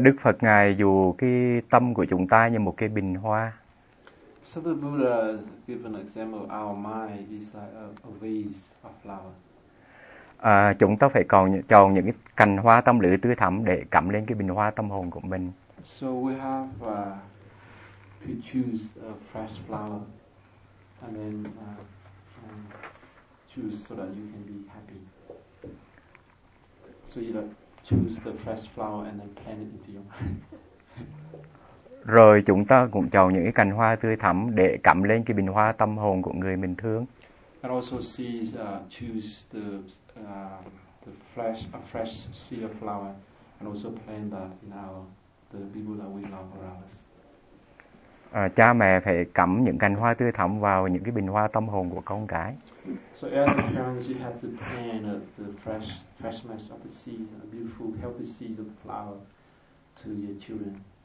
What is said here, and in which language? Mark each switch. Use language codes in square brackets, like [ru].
[vi] Đức Phật ngài dù cái tâm của chúng ta như một cái bình hoa. [en] So the Buddha gave an example. Our mind is like a vase of flower. [vi] Chúng ta phải còn chọn những cái cành hoa tâm lý tươi thắm để cắm lên cái bình hoa tâm hồn của mình. [en] So we have to choose a fresh flower and then choose so that you can be happy. So you like choose the fresh flower and then plant it into your mind. [vi] Rồi chúng ta cũng chọn những cái cành hoa tươi thắm để cắm lên cái bình hoa tâm hồn của người mình thương. [en] And also see choose the fresh a fresh sea of flower and also plant that in our the people that we love around us. [vi] Cha mẹ phải cắm những cành hoa tươi thắm vào những cái bình hoa tâm hồn của con cái. [en] So as the parents you have to plant the fresh freshness of the seeds, a beautiful healthy seeds of flower to your children.